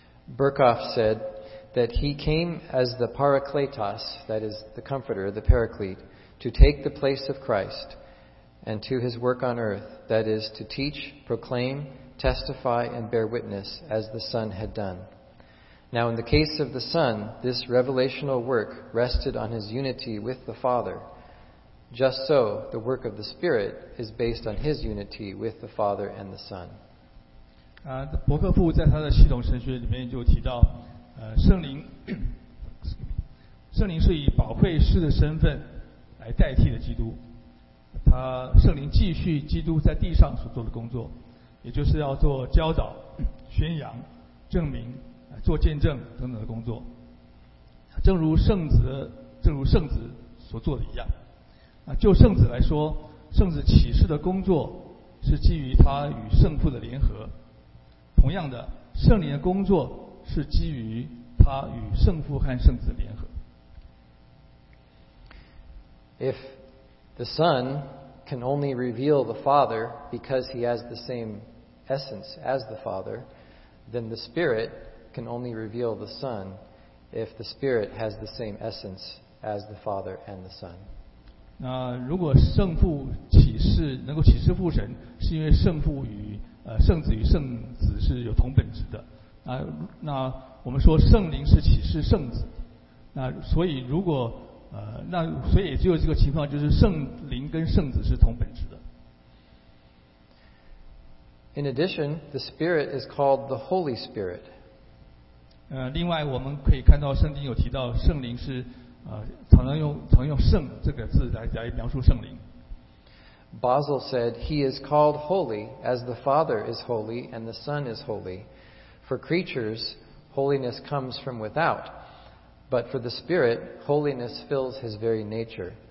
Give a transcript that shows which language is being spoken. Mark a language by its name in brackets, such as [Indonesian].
[English] Burkhoff said that he came as the parakletos, that is the comforter, the paraclete, to take the place of Christ and to his work on earth, that is to teach, proclaim, testify, and bear witness as the Son had done. Now in the case of the Son, this revelational work rested on his unity with the Father. Just so, the work of the Spirit is based on his unity with the Father and the Son. [Chinese] 伯克夫在他的系统神学里面就提到，圣灵是以宝惠师的身份来代替的基督，他圣灵继续基督在地上所做的工作，也就是要做教导、宣扬、证明、做见证等等的工作，正如圣子所做的一样。就圣子来说，圣子启示的工作是基于他与圣父的联合，同样的，圣灵的工作是基于他与圣父和圣子联合。 [English] If the Son can only reveal the Father because he has the same essence as the Father, then the Spirit can only reveal the Son if the Spirit has the same essence as the Father and the Son. [Chinese] 那如果圣父启示能够启示父神，是因为圣父与圣子与圣子是有同本质的。那我们说圣灵是启示圣子，那所以如果那所以只有这个情况，就是圣灵跟圣子是同本质的。 [English] In addition, the Spirit is called the Holy Spirit. [Chinese] 另外我们可以看到圣经有提到圣灵是常用圣这个字来描述圣灵。 [English] Basil said he is called holy as the Father is holy and the Son is holy. For creatures, holiness comes from without. But for the Spirit, holiness fills his very nature.